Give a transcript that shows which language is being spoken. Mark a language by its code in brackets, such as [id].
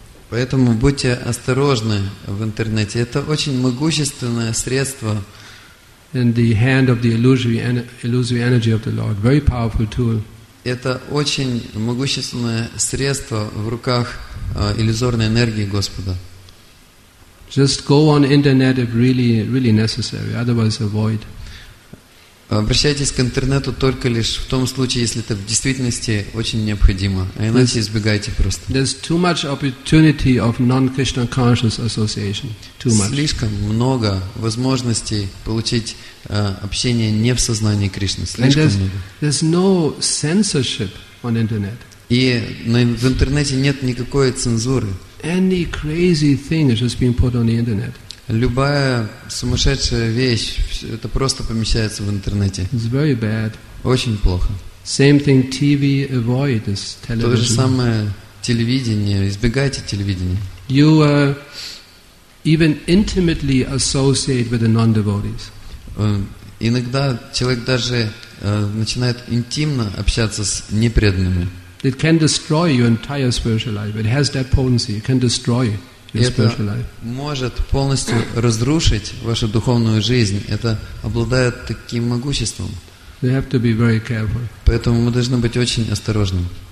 [ru] Поэтому будьте осторожны в интернете. Это очень могущественное средство. [en] And the hand of the illusory energy of the Lord, very powerful tool. [ru] Это очень могущественное средство в руках иллюзорной энергии Господа. [en] Just go on internet if really, really necessary. Otherwise, avoid. [ru] Обращайтесь к интернету только лишь в том случае, если это в действительности очень необходимо. А иначе избегайте просто. [en] There's too much opportunity of non-Krishna conscious association. Too much. [ru] Слишком много возможностей получить общение не в сознании Кришны. Слишком много. [en] There's no censorship on internet. [ru] И в интернете нет никакой цензуры. [en] Any crazy thing is just being put on the internet. [ru] Любая сумасшедшая вещь, это просто помещается в интернете. [en] It's very bad. [ru] Очень плохо. [en] Same thing, TV, avoid this television. [ru] То же самое телевидение, избегайте телевидения. [en] You even intimately associate with the non-devotees. [ru] Иногда человек даже начинает интимно общаться с непреданными. [en] It can destroy your entire spiritual life. It has that potency. It can destroy [ru] это может полностью разрушить вашу духовную жизнь. Это обладает таким могуществом. Поэтому мы должны быть очень осторожными.